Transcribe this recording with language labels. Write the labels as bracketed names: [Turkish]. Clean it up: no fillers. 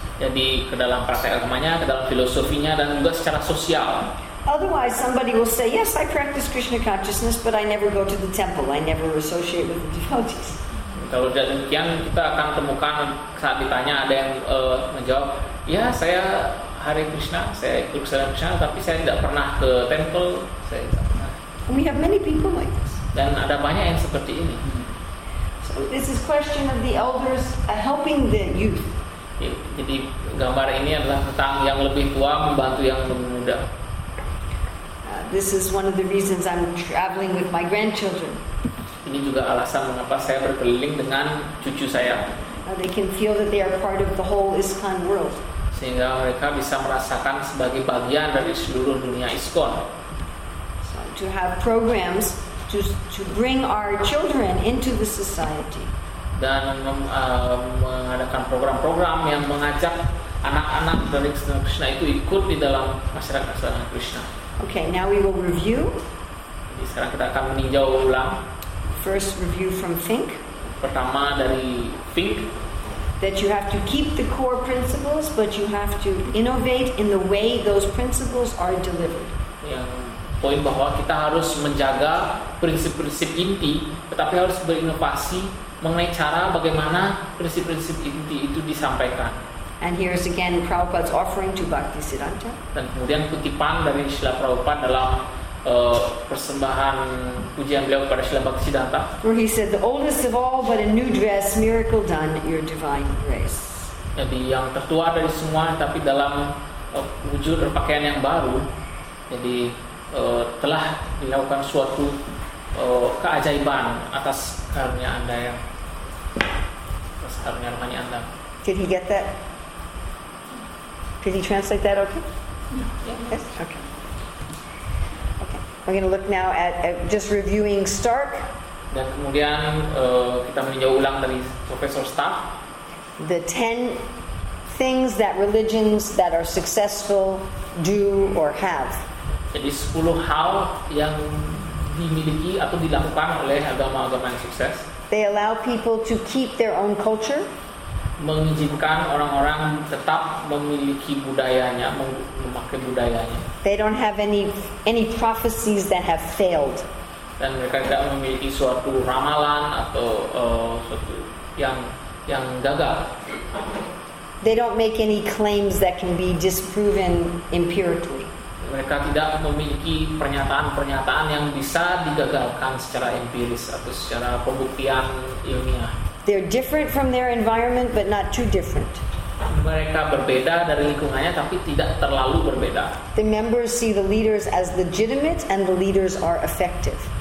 [Indonesian] Jadi ke dalam praktek agamanya, ke dalam filosofinya, dan juga secara sosial. [English] Otherwise, somebody will say, "Yes, I practice Krishna consciousness, but I never go to the temple. I never associate with the devotees." [Indonesian] Kalau tidak demikian, kita akan temukan saat ditanya ada yang menjawab, "Ya, saya Hare Krishna, saya ikut Krishna Krishna, tapi saya tidak pernah ke temple. Saya tidak pernah." [English] And we have many people like this. [Indonesian] Dan ada banyak yang seperti ini. [English] So this is question of the elders helping the youth. [Indonesian] Jadi gambar ini adalah tentang yang lebih tua membantu yang lebih muda. [English] This is one of the reasons I'm traveling with my grandchildren. [Indonesian] Ini juga alasan mengapa saya berkeliling dengan cucu saya. [English] They can feel that they are part of the whole ISKCON world. [Indonesian] Sehingga mereka bisa merasakan sebagai bagian dari seluruh dunia ISKCON. [English] So to have programs to bring our children into the society. [Indonesian] Dan mengadakan program-program yang mengajak anak-anak dari Krishna Krishna itu ikut di dalam masyarakat Krishna Krishna. [English] Okay, now we will review. [Indonesian] Jadi sekarang kita akan meninjau ulang. [English] First review from Fink. [Indonesian] Pertama dari Fink. [English] That you have to keep the core principles, but you have to innovate in the way those principles are delivered. [Indonesian] Yang poin bahwa kita harus menjaga prinsip-prinsip inti, tetapi harus berinovasi mengenai cara bagaimana prinsip-prinsip inti itu disampaikan. [English] And here is again Prabhupada's offering to Bhaktisiddhanta. [Indonesian] Dan kemudian kutipan dari Srila Prabhupada dalam persembahan pujian beliau kepada Srila Bhaktisiddhanta. [English] Where he said, "The oldest of all, but a new dress, miracle done, your divine grace." [Indonesian] Jadi yang tertua dari semua, tapi dalam wujud pakaian yang baru, jadi telah dilakukan suatu keajaiban atas karunia Anda yang atas karunia rohani Anda. [English] Did he get that? Could he translate that okay? Yes. Okay. We're going to look now at just reviewing Stark. [Indonesian] Dan kemudian kita meninjau ulang dari Profesor Stark. [English] The 10 things that religions that are successful do or have. [Indonesian] Jadi 10 hal yang dimiliki atau dilakukan oleh agama-agama yang sukses. [English] They allow people to keep their own culture. [Indonesian] Mengizinkan orang-orang tetap memiliki budayanya, memakai budayanya. [English] They don't have any prophecies that have failed. [Indonesian] dan mereka tidak memiliki suatu ramalan atau suatu yang gagal. [English] They don't make any claims that can be disproven empirically. [Indonesian] Mereka tidak memiliki pernyataan-pernyataan yang bisa digagalkan secara empiris atau secara pembuktian ilmiah. [English] They're different from their environment, but not too different. [Indonesian] Mereka berbeda dari lingkungannya, tapi tidak terlalu berbeda. [English] The members see the leaders as legitimate, and the leaders are effective.